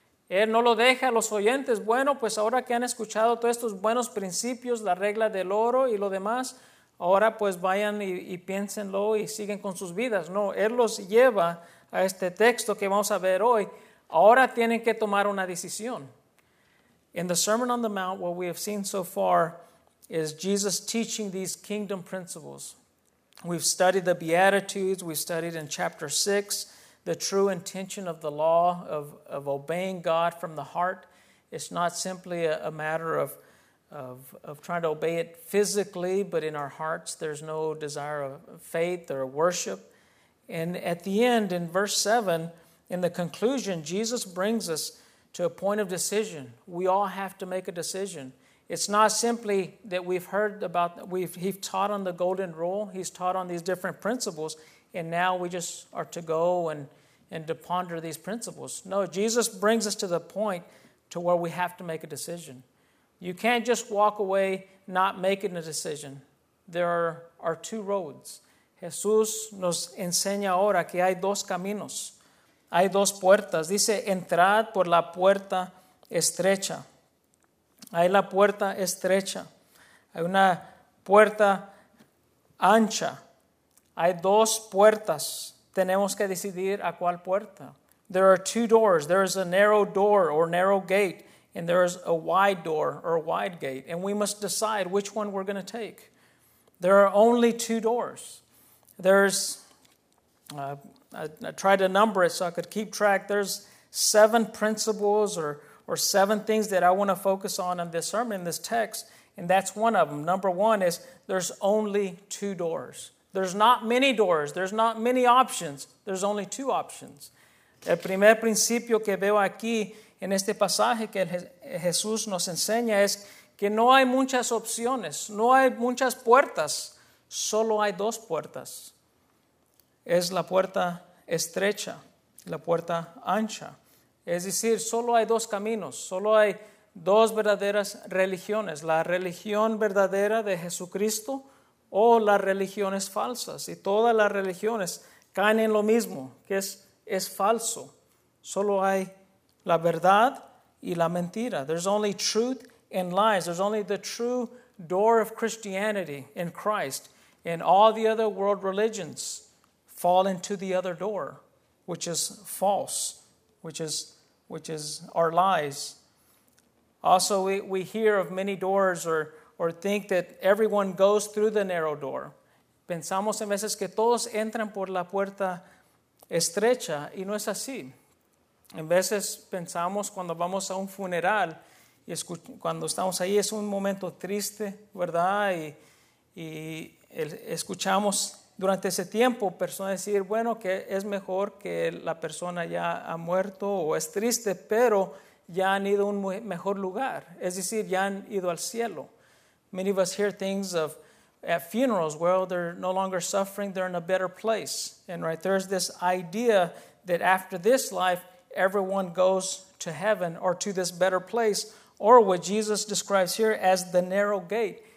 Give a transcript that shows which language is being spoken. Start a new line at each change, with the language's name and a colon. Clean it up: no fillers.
Spanish: Él no lo deja a los oyentes. Bueno, pues ahora que han escuchado todos estos buenos principios, la regla del oro y lo demás, ahora pues vayan y piénsenlo y siguen con sus vidas. No, Él los lleva a este texto que vamos a ver hoy. Ahora tienen que tomar una decisión.
English: In the Sermon on the Mount, what we have seen so far is Jesus teaching these kingdom principles. We've studied the Beatitudes. We studied in chapter 6 the true intention of the law of obeying God from the heart. It's not simply a matter of trying to obey it physically, but in our hearts there's no desire of faith or worship. And at the end, in verse 7, in the conclusion, Jesus brings us to a point of decision. We all have to make a decision. It's not simply that we've heard about, he's taught on the golden rule. He's taught on these different principles. And now we just are to go and to ponder these principles. No, Jesus brings us to the point to where we have to make a decision. You can't just walk away not making a decision. There are two roads.
Spanish: Jesús nos enseña ahora que hay dos caminos. Hay dos puertas. Dice, entrad por la puerta estrecha. Hay la puerta estrecha. Hay una puerta ancha. Hay dos puertas. Tenemos que decidir a cuál puerta.
English: There are two doors. There is a narrow door or narrow gate. And there is a wide door or wide gate. And we must decide which one we're going to take. There are only two doors. I tried to number it so I could keep track. There's seven principles or seven things that I want to focus on in this sermon, in this text, and that's one of them. Number one is there's only two doors. There's not many doors. There's not many options. There's only two options.
Spanish: El primer principio que veo aquí en este pasaje que Jesús nos enseña es que no hay muchas opciones. No hay muchas puertas. Solo hay dos puertas. Es la puerta estrecha, la puerta ancha. Es decir, solo hay dos caminos, solo hay dos verdaderas religiones, la religión verdadera de Jesucristo o las religiones falsas. Y todas las religiones caen en lo mismo, que es falso. Solo hay la verdad y la mentira.
English: There's only truth and lies. There's only the true door of Christianity in Christ. And all the other world religions fall into the other door, which is false, which is our lies. Also, we hear of many doors or think that everyone goes through the narrow door.
Spanish: Pensamos en veces que todos entran por la puerta estrecha, y no es así. En veces pensamos cuando vamos a un funeral, y cuando estamos ahí es un momento triste, ¿verdad? Y escuchamos durante ese tiempo personas decir, bueno, que es mejor que la persona ya ha muerto o es triste, pero ya han ido a un mejor lugar. Es decir, ya han ido al cielo.
English: Many of us hear things of at funerals, well, they're no longer suffering, they're in a better place. And right there's this idea that after this life, everyone goes to heaven or to this better place, or what Jesus describes here as the narrow gate.